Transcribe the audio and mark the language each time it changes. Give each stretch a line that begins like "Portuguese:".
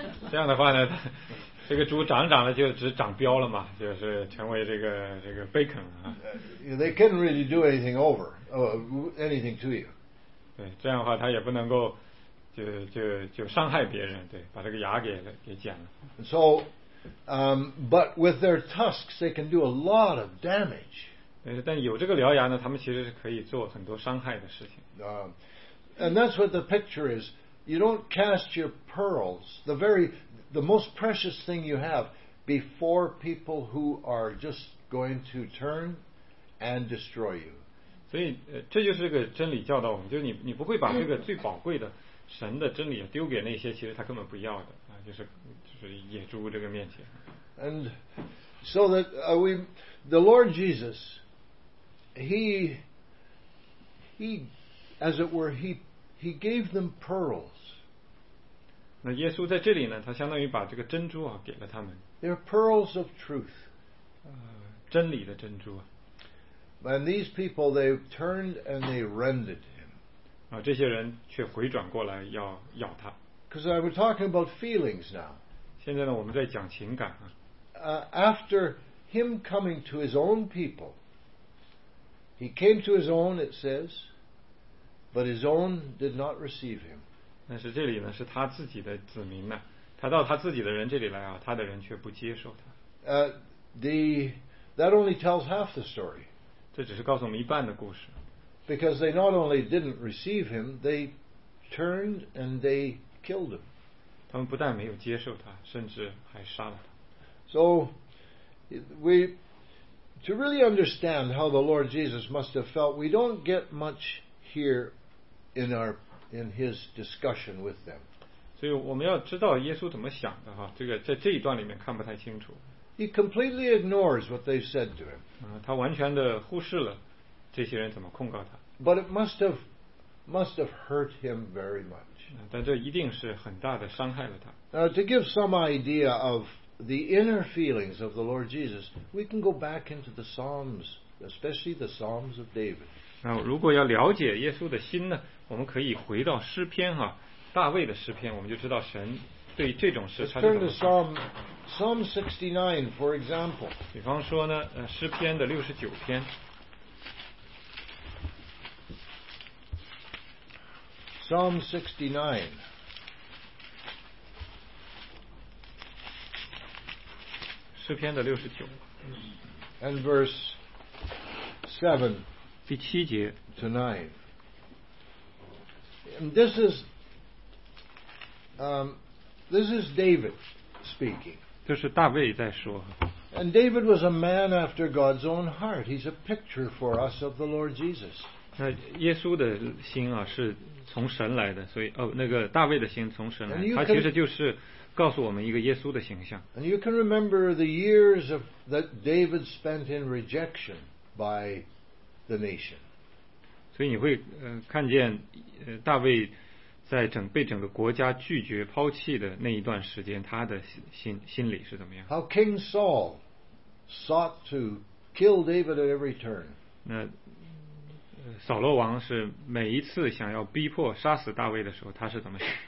Chinese: 这样的话呢，这个猪长了就只长膘了嘛，就是成为这个 bacon 啊。
English: They couldn't really do anything over anything to you.
Chinese: 对，这样的话他也不能够就伤害别人，对，把这个牙给剪了。
English: So, but with their tusks, they can do a lot of damage.
Chinese: 但有这个獠牙呢，他们其实是可以做很多伤害的事情。
English: And that's what the picture is. You don't cast your pearls, the most precious thing you have, before people who are just going to turn and destroy you.
Chinese: 所以这就是这个真理教导我们，就是你不会把这个最宝贵的神的真理丢给那些其实他根本不要的啊，就是野猪这个面前。
English: And so that we the Lord Jesus, he as it were he gave them pearls.
Chinese: 那耶稣在这里呢，他相当于把这个珍珠啊给了他们。
English: They're pearls of truth.
Chinese: 真理的珍珠。
English: And these people, they turned and they rended him.
Chinese: 啊，这些人却回转过来要咬他。
English: Because I was talking about feelings now.
Chinese: 现在呢，我们在讲情感啊。
English: After him coming to his own people, he came to his own, it says, but his own did not receive him.
Chinese: 但是这里呢，是他自己的子民呢，他到他自己的人这里来啊，他的人却不接受他。
English: That only tells half the story.
Chinese: 这只是告诉我们一半的故事。
English: Because they not only didn't receive him, they turned and they killed him.
Chinese: 他们不但没有接受他，甚至还杀了他。
English: So, to really understand how the Lord Jesus must have felt, we don't get much here in his discussion with them.
Chinese: 所以我们要知道耶稣怎么想的哈，这个在这一段里面看不太清楚。
English: He completely ignores what they said to him.
Chinese: 他完全的忽视了这些人怎么控告他。
English: But it must have hurt him very much.
Chinese: 但这一定是很大的伤害了他。
English: Now, to give some idea of the inner feelings of the Lord Jesus, we can go back into the Psalms, especially the Psalms of David.
Chinese: 那如果要了解耶稣的心呢，我们可以回到诗篇哈，大卫的诗篇，我们就知道神对这种事他是怎么看的。
English: Psalm 69, for example.
Chinese: 比方说呢，诗篇的六十九篇。
English: Psalm 69.
Chinese: 诗篇的六十九。
English: And verse 7.
Chinese: 第七节。
English: To 9. And this is David speaking.
Chinese: 就是大卫在说。
English: And David was a man after God's own heart. He's a picture for us of the Lord Jesus.
Chinese: 那耶稣的心啊，是从神来的，所以那个大卫的心从神来的，他其实就是告诉我们一个耶稣的形象。
English: And you can remember the years of that David spent in rejection by the nation.
Chinese: 所以你会看见大卫在整个国家拒绝抛弃的那一段时间，他的心理是怎么样
English: ？How King Saul sought to kill David at every turn.
Chinese: 那扫罗王是每一次想要逼迫杀死大卫的时候，他是怎么想